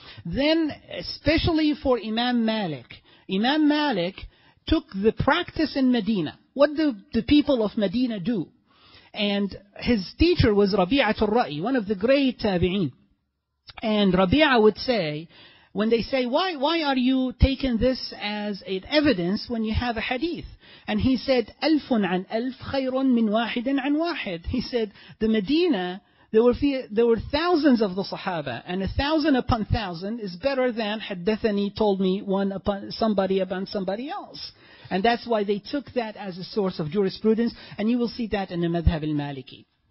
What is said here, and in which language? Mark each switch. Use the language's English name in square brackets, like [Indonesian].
[English] Then, especially for Imam Malik. Imam Malik took the practice in Medina. What do the people of Medina do? And his teacher was Rabi'at al-Ra'i, one of the great tabi'een. And Rabi'ah would say, when they say, why are you taking this as an evidence when you have a hadith? [Arabic] And he said, أَلْفٌ عَنْ أَلْفْ خَيْرٌ مِّنْ وَاحِدٍ عَنْ وَاحِدٍ. [English] He said, the Medina, there were thousands of the Sahaba, and a thousand upon thousand is better than [Arabic] حَدَّثَنِي [English] told me one upon somebody upon somebody else. And that's why they took that as a source of jurisprudence, and you will see that in the Madhhab al-Maliki.